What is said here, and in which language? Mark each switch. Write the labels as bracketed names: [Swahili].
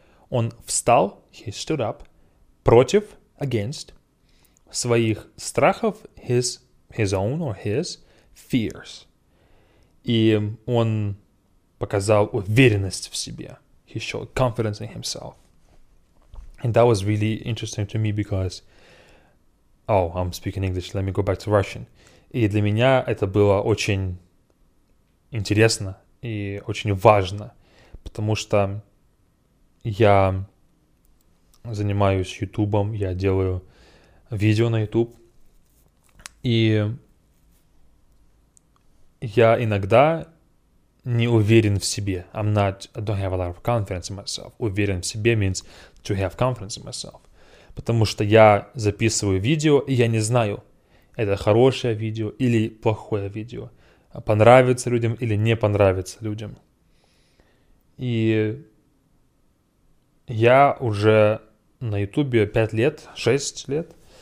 [Russian] Он встал, [English] he stood up, [Russian] против, [English] against, [Russian] своих страхов, [English] his own or his fears. [Russian] И он показал уверенность в себе. [English] He showed confidence in himself. And that was really interesting to me because... Oh, I'm speaking English. Let me go back to Russian. [Russian] И для меня это было очень интересно и очень важно, потому что я занимаюсь Ютубом, я делаю видео на Ютуб, и я иногда не уверен в себе. [English] I don't have a lot of confidence in myself. [Russian] Уверен в себе [English] means to have confidence in myself. [Russian] Потому что я записываю видео, и я не знаю, это хорошее видео или плохое видео. Понравится людям или не понравится людям. И я уже на Ютубе 5 лет, 6 лет.